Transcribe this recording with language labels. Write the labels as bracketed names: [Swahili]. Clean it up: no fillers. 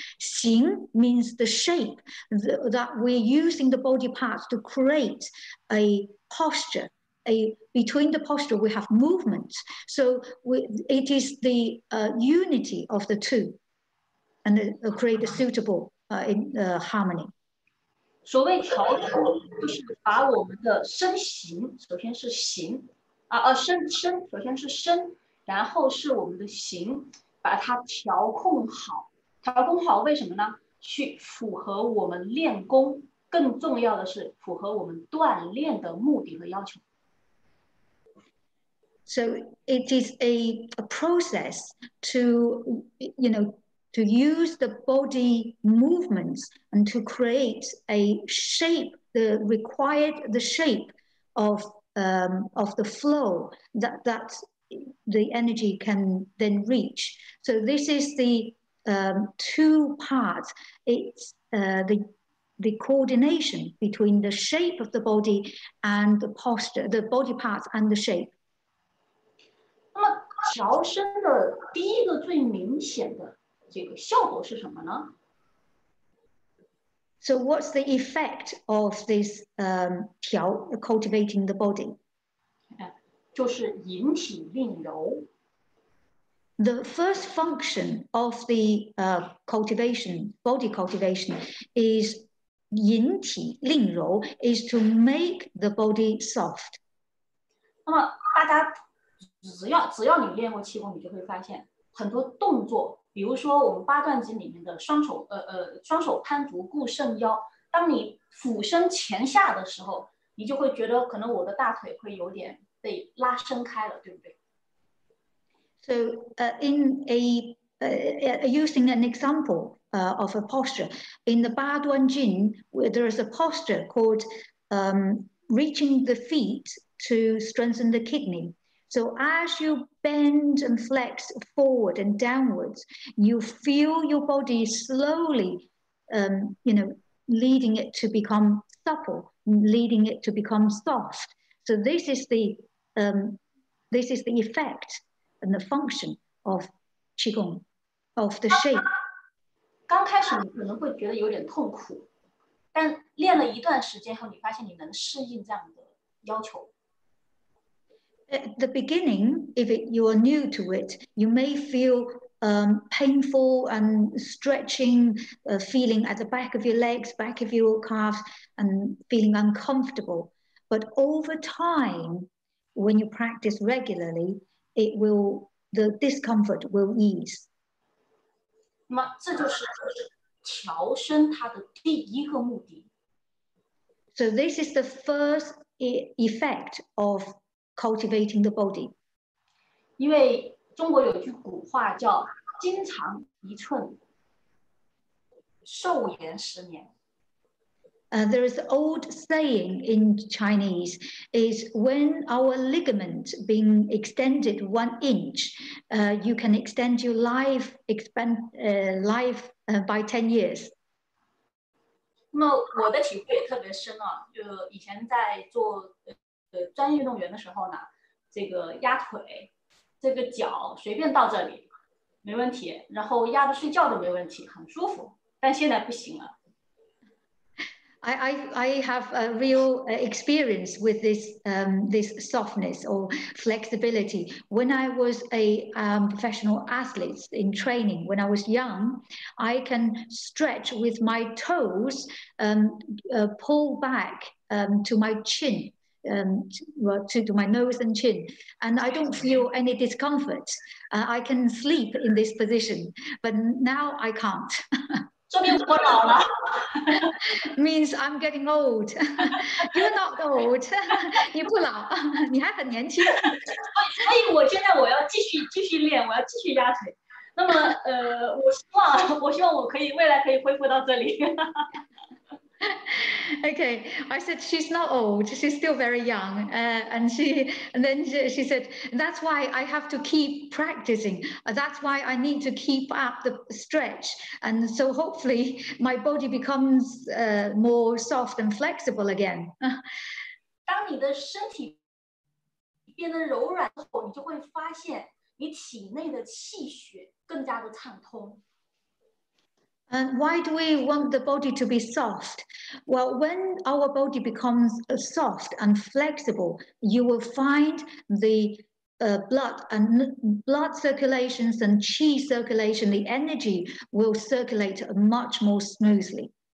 [English] Xing means the shape that we're using the body parts to create a posture. Between the posture, we have movement. So it is the unity of the two, and create a suitable harmony. [Chinese] 所谓调整，就是把我们的身形，首先是形，身，首先是身，然后是我们的形，把它调控好。调控好为什么呢？去符合我们练功，更重要的是符合我们锻炼的目的和要求。 [English] So it is a process to, you know, to use the body movements and to create a shape, the required the shape of the flow that the energy can then reach. So this is the two parts. It's the coordination between the shape of the body and the posture, the body parts and the shape. [Chinese] 那么调身的第一个最明显的这个效果是什么呢？ [English] So what's the effect of this cultivating the body? [Chinese] 就是引体练柔。 [English] The first function of the cultivation, body cultivation, is [Chinese] 引体练柔 [English] is to make the body soft. [Chinese] 那么大家只要你练过气功，你就会发现很多动作，比如说我们八段锦里面的双手攀足固肾腰，当你俯身前下的时候，你就会觉得可能我的大腿会有点被拉伸开了，对不对？ [English] So in a using an example of a posture in the 八段锦, there is a posture called reaching the feet to strengthen the kidney. So as you bend and flex forward and downwards, you feel your body slowly, you know, leading it to become supple, leading it to become soft. So this is the effect and the function of Qigong, of the shape. [Chinese] 刚开始你可能会觉得有点痛苦，但练了一段时间后，你发现你能适应这样的要求。 [English] At the beginning, if you are new to it, you may feel painful and stretching, feeling at the back of your legs, back of your calves, and feeling uncomfortable. But over time, when you practice regularly, the discomfort will ease. [Chinese] 那么这就是调身它的第一个目的。 [English] So this is the first effect of cultivating the body. [Chinese] 因为中国有句古话叫筋长一寸寿延十年。 [English] There is an old saying in Chinese is when our ligament being extended 1 inch, you can extend your life by 10 years. [Chinese] 那我的体会也特别深啊，就以前在做专业运动员的时候呢，这个压腿，这个脚随便到这里没问题，然后压着睡觉都没问题，很舒服，但现在不行了。 [English] I have a real experience with this this softness or flexibility. When I was a professional athlete in training, when I was young, I can stretch with my toes pull back to my chin. To my nose and chin, and I don't feel any discomfort. I can sleep in this position, but now I can't. [Chinese] 说明我老了。 [English] Means I'm getting old. You're not old. [Chinese] 你不老，你还很年轻。所以我现在我要继续练，我要继续压腿。那么我希望我可以未来可以恢复到这里。 [English] Okay, I said she's not old, she's still very young, and then she said that's why I have to keep practicing, that's why I need to keep up the stretch, and so hopefully my body becomes more soft and flexible again. [Chinese] 当你的身体变得柔软之后，你就会发现你体内的气血更加的畅通。 [English] And why do we want the body to be soft? Well, when our body becomes soft and flexible, you will find the blood circulations and qi circulation, the energy will circulate much more smoothly.